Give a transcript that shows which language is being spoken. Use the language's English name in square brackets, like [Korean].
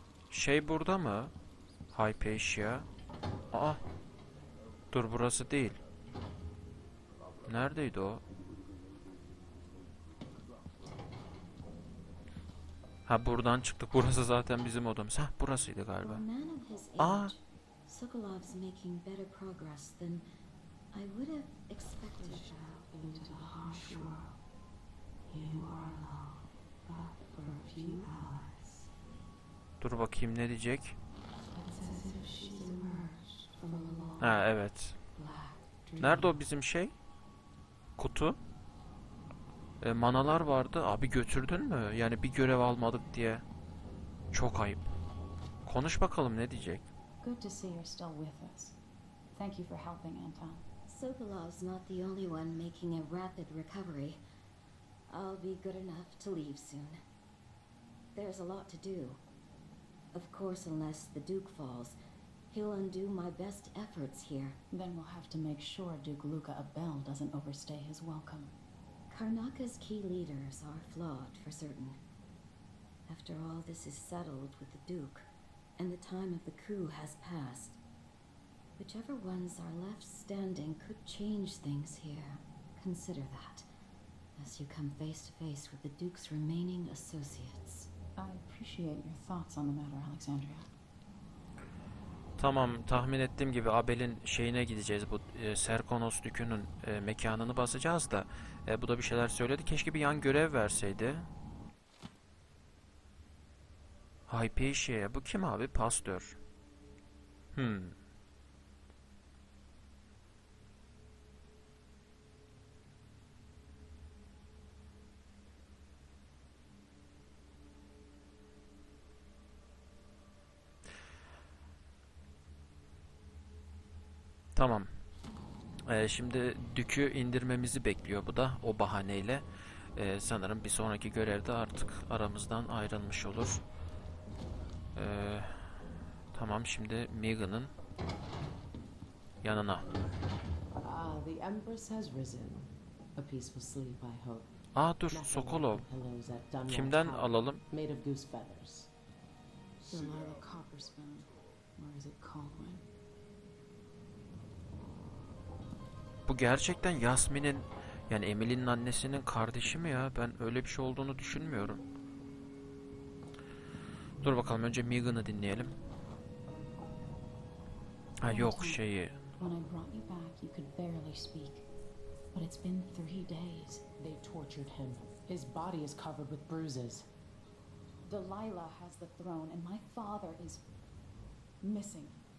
[Turkish] Şey burada mı? Hypatia. Aa. Dur, burası değil. Neredeydi o? Ha, buradan çıktık. Burası zaten bizim odamız. Ha, burasıydı galiba. Aa. [English] Sokolov's making better progress than I would have expected. Push out into the harsh world. You are alone, but for a few hours. [Turkish] Dur bakayım, ne diyecek? [English] It's as if she's emerged from a long, [Turkish] ha, evet. Nerede o bizim şey? Kutu? Manalar vardı. Abi götürdün mü? Yani bir görev almadık diye. Çok ayıp. Konuş bakalım, ne diyecek? [English] Good to see you're still with us. Thank you for helping, Anton. Sokolov's not the only one making a rapid recovery. I'll be good enough to leave soon. There's a lot to do. Of course, unless the Duke falls, he'll undo my best efforts here. Then we'll have to make sure Duke Luca Abel doesn't overstay his welcome. Karnaca's key leaders are flawed for certain. After all this is settled with the Duke, and the time of the coup has passed. Whichever ones are left standing could change things here. Consider that, as you come face to face with the Duke's remaining associates. I appreciate your thoughts on the matter, Alexandria. [Turkish] Tamam, tahmin ettiğim gibi Abel'in şeyine gideceğiz. Bu Serkonos Dükü'nün mekanını basacağız da. Bu da bir şeyler söyledi. Keşke bir yan görev verseydi. Hypatia'ya. Bu kim abi? Pastör. Tamam. Şimdi Dük'ü indirmemizi bekliyor bu da. O bahaneyle. Sanırım bir sonraki görevde artık aramızdan ayrılmış olur. Tamam, şimdi Megan'ın yanına. [English] Ah, the Empress has risen. A peaceful sleep, I hope. [Turkish] Ah, dur, Sokolov. Kimden alalım? [English] Made of goose feathers. Delilah Copperspoon, or is it Caldwin? [Turkish] Bu gerçekten Yasmin'in, yani Emily'nin annesinin kardeşi mi ya? Ben öyle bir şey olduğunu düşünmüyorum. Dur bakalım, önce Megan'ı dinleyelim. Ha yok şeyi. [English] When I brought you back, you could barely speak. But it's been 3 days. They tortured him. His body is covered with bruises. Delilah has the throne, and my father is missing.